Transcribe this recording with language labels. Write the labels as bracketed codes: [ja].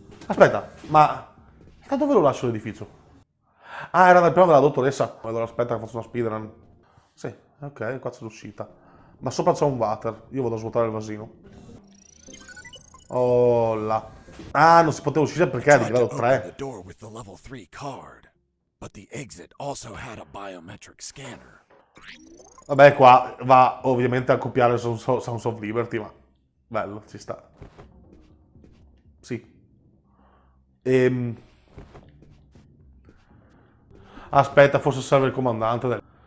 [it] Aspetta, ma... da dove lo lascio l'edificio? Ah, era dal piano della dottoressa. Allora aspetta che faccio una speedrun. Sì, ok, qua c'è l'uscita. Ma sopra c'è un water. Io vado a svuotare il vasino. Oh là. Ah, non si poteva uscire perché è di livello 3. [en] The door with the level 3 card, but the exit also had a biometric scanner. [it] Vabbè, qua va ovviamente a copiare Sons of Liberty, ma bello, ci sta. Sì. Aspetta, forse serve il comandante del...